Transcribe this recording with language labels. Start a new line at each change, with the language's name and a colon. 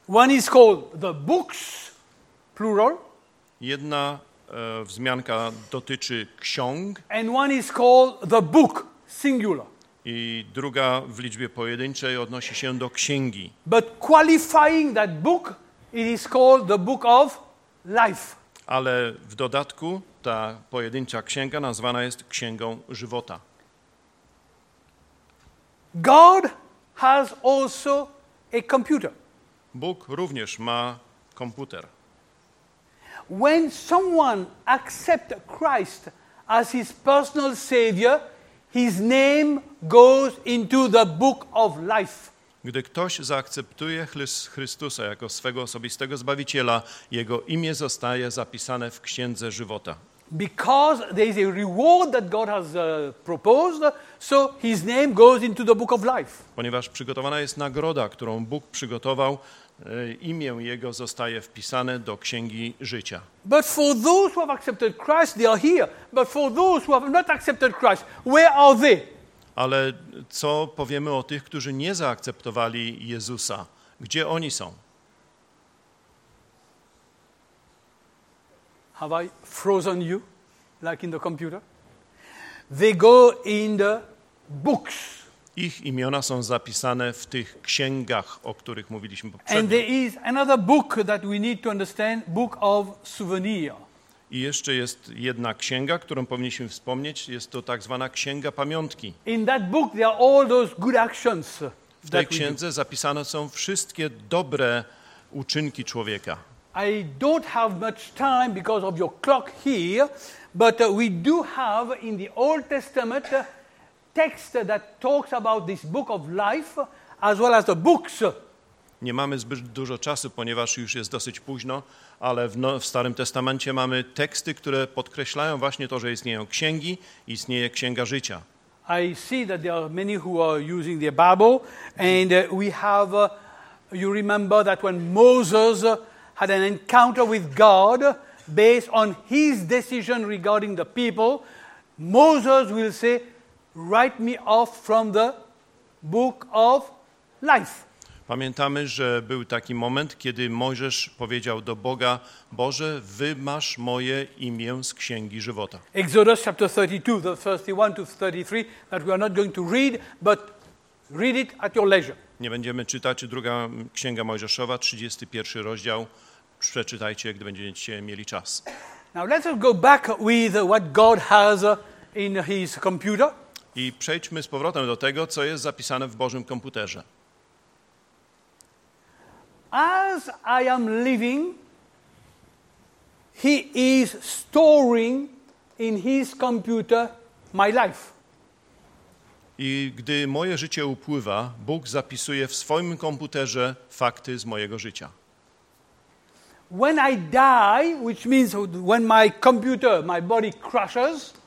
English: One is called the books, plural.
Polish: Jedna wzmianka dotyczy ksiąg.
English: And one is called the book, singular.
Polish: I druga w liczbie pojedynczej odnosi się do księgi.
English: But qualifying that book, it is called the book of life.
Polish: Ale w dodatku ta pojedyncza księga nazwana jest księgą żywota.
English: God has also a computer.
Polish: Bóg również ma komputer.
English: When someone accepts Christ as his personal savior, his name goes into the book of life.
Polish: Gdy ktoś zaakceptuje Chrystusa jako swego osobistego zbawiciela, jego imię zostaje zapisane w księdze żywota.
English: Because there is a reward that God has proposed, so his name goes into the book of life.
Polish: Ponieważ przygotowana jest nagroda, którą Bóg przygotował, imię jego zostaje wpisane do księgi życia.
English: But for those who have accepted Christ, they are here. But for those who have not accepted Christ, where are they?
Polish: Ale co powiemy o tych, którzy nie zaakceptowali Jezusa? Gdzie oni są?
English: Have I frozen you, like in the computer? They go in the books.
Polish: Ich imiona są zapisane w tych księgach, o których mówiliśmy poprzednio.
English: And there is another book that we need to understand, book of souvenir.
Polish: I jeszcze jest jedna księga, którą powinniśmy wspomnieć, jest to tak zwana księga pamiątki.
English: In that book there are all those good actions.
Polish: W tej księdze zapisane są wszystkie dobre uczynki człowieka.
English: I don't have much time because of your clock here, but we do have in the Old Testament text that talks about this book of life as well as the books.
Polish: Nie mamy zbyt dużo czasu, ponieważ już jest dosyć późno, ale w Starym Testamencie mamy teksty, które podkreślają właśnie to, że istnieją księgi, istnieje księga życia.
English: I see that there are many who are using their Bible and we have you remember that when Moses had an encounter with God based on his decision regarding the people, Moses will say, write me off from the book of life.
Polish: Pamiętamy, że był taki moment, kiedy Mojżesz powiedział do Boga: Boże, wymasz moje imię z księgi żywota.
English: Exodus chapter 32, the 31 to 33, that we are not going to read, but read it at your leisure.
Polish: Nie będziemy czytać. Druga księga Mojżeszowa, 31 rozdział. Przeczytajcie, gdy będziecie mieli czas.
English: Now let's go back with what God has in his computer.
Polish: I przejdźmy z powrotem do tego, co jest zapisane w Bożym komputerze.
English: As I am living, he is storing in his computer my life.
Polish: I gdy moje życie upływa, Bóg zapisuje w swoim komputerze fakty z mojego życia.
English: When I die, which means when my computer, my body crashes,